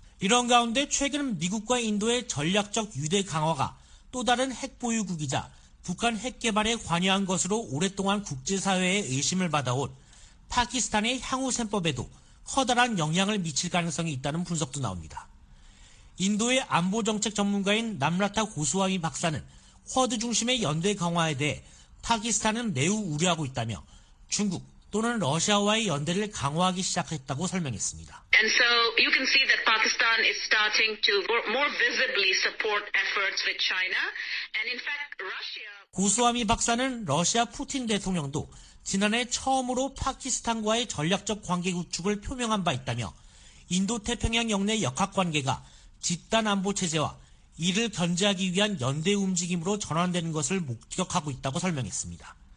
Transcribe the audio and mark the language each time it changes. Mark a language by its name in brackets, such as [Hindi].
[Korean] 이런 가운데 최근 미국과 인도의 전략적 유대 강화가 또 다른 핵 보유국이자 북한 핵 개발에 관여한 것으로 오랫동안 국제사회의 의심을 받아온 파키스탄의 향후 셈법에도 커다란 영향을 미칠 가능성이 있다는 분석도 나옵니다. 인도의 안보정책 전문가인 남라타 고스와미 박사는 쿼드 중심의 연대 강화에 대해 파키스탄은 매우 우려하고 있다며 중국 또는 러시아와의 연대를 강화하기 시작했다고 설명했습니다. [English] And so you can see that Pakistan is starting to more visibly support efforts with China. And in fact, Russia. [Korean] 고스와미 박사는 러시아 푸틴 대통령도 지난해 처음으로 파키스탄과의 전략적 관계 구축을 표명한 바 있다며 인도태평양 역내 역학관계가 집단 안보 체제와 이를 견제하기 위한 연대 움직임으로 전환되는 것을 목격하고 있다고 설명했습니다.